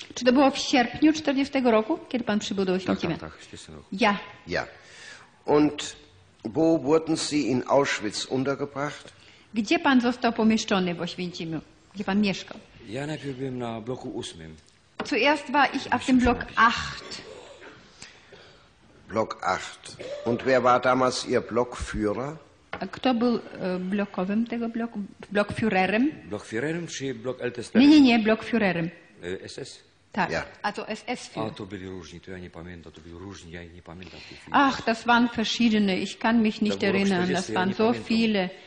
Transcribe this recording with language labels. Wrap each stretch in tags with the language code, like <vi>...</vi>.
<pl>Czy to było w sierpniu 1940 roku, kiedy pan przybył do Oświęcimia? Tak, tak, tak, roku.</pl> <de>Ja. Ja. Und wo wurden Sie in Auschwitz untergebracht?</de> <pl>Gdzie pan został pomieszczony w Oświęcimiu? Gdzie pan mieszkał? Ja najpierw byłem na bloku 8.</pl> <de>Zuerst war ich auf dem Block 8. Block 8. Und wer war damals Ihr Blockführer?</de> <pl>Kto był blokowym tego bloku? Blokführerem? Blokführerem czy blok LTSP? Nie, nie, nie, blokführerem. SS? Tak. Ja. A to SS-Führer. A to byli różni, to ja nie pamiętam, to byli różni, ja nie pamiętam.</pl> <de>Ach, das waren verschiedene, ich kann mich nicht erinnern, das waren so viele.</de>